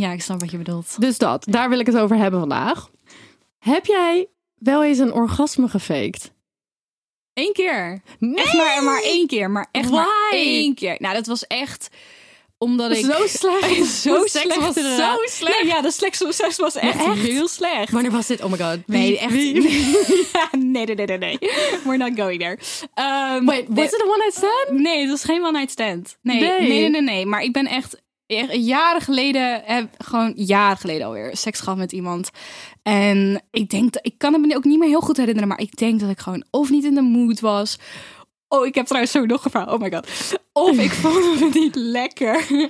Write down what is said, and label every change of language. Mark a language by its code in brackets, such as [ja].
[nl] Ja, ik snap wat je bedoelt. Dus dat. Daar wil ik het over hebben vandaag. Heb jij wel eens een orgasme gefaked? Eén keer. Nee! Echt maar één keer. Maar echt [en] Why? [nl] Maar één keer. Nou, dat was echt omdat ik... Zo slecht. Zo slecht. Was zo slecht. Nee, ja, de seks was echt heel slecht. Wanneer was dit? [en] Oh my god. [nl] Nee, wie? Echt. Wie? [en] Nee. We're not going there. Wait, was it a one night stand? [nl] Nee, het was geen one night stand. Nee. Nee. Maar ik ben echt... jaren geleden alweer seks gehad met iemand. En ik denk dat ik kan het me ook niet meer heel goed herinneren, maar ik denk dat ik gewoon of niet in de mood was. Oh, ik heb trouwens zo nog gevraagd. [en] Oh my god. [nl] Of ik vond het niet lekker.